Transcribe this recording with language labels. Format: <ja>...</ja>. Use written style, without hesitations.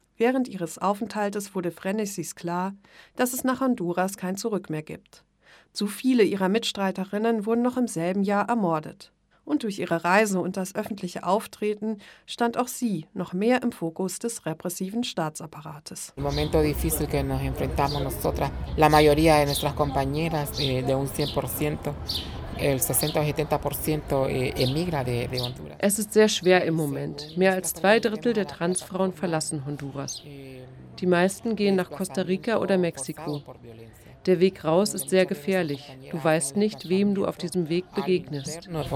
<de>Während ihres Aufenthaltes wurde Frenesis klar, dass es nach Honduras kein Zurück mehr gibt. Zu viele ihrer Mitstreiterinnen wurden noch im selben Jahr ermordet. Und durch ihre Reise und das öffentliche Auftreten stand auch sie noch mehr im Fokus des repressiven Staatsapparates.</de> <es>El momento difícil que nos enfrentamos nosotras, la mayoría de nuestras compañeras de un 100%, el 60-70% emigra de Honduras.</es> <de>Es ist sehr schwer im Moment. Mehr als zwei Drittel der Transfrauen verlassen Honduras. Die meisten gehen nach Costa Rica oder Mexiko. Der Weg raus ist sehr gefährlich. Du weißt nicht, wem du auf diesem Weg begegnest.</de>